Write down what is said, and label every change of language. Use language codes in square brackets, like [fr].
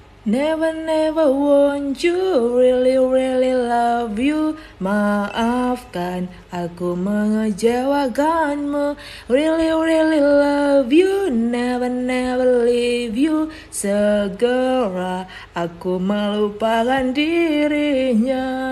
[en] Never, never want you, really, really love you. [id] Maafkan aku mengecewakanmu. [en] Really, really love you, never, never leave you. [id] Segera aku melupakan dirinya.